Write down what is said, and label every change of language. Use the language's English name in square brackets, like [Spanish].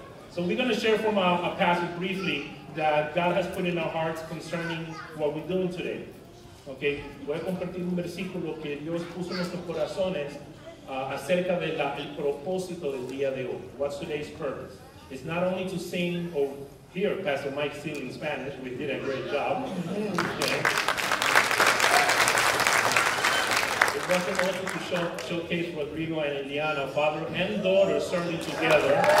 [English] So we're going to share from a passage briefly that God has put in our hearts concerning what we're doing today. [Spanish] Okay, voy a compartir un versículo que Dios puso en nuestros corazones acerca del propósito del día de hoy. [English] What's today's purpose? It's not only to sing or hear Pastor Mike sing in Spanish. We did a great job. Okay. It wasn't also to showcase Rodrigo and Indiana, father and daughter serving together.